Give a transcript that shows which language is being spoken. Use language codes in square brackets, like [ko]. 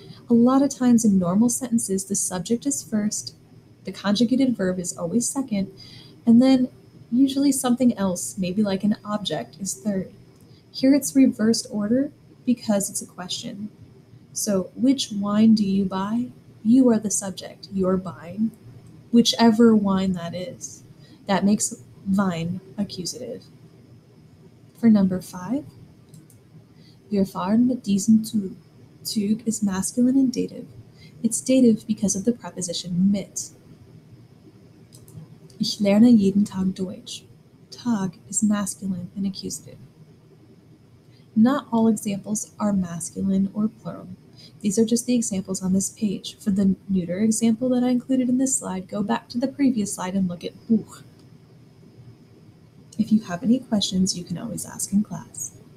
[en] A lot of times in normal sentences, the subject is first, the conjugated verb is always second, and then usually something else, maybe like an object, is third. Here it's reversed order because it's a question. So, which wine do you buy? You are the subject. You're buying whichever wine that is. That makes Wein accusative. For number 5, [de] wir fahren mit diesem Zug. [en] Zug is masculine and dative. It's dative because of the preposition mit. [de] Ich lerne jeden Tag Deutsch. [en] Tag is masculine and accusative. Not all examples are masculine or plural. These are just the examples on this page. For the neuter example that I included in this slide, go back to the previous slide and look at Buch. If you have any questions, you can always ask in class.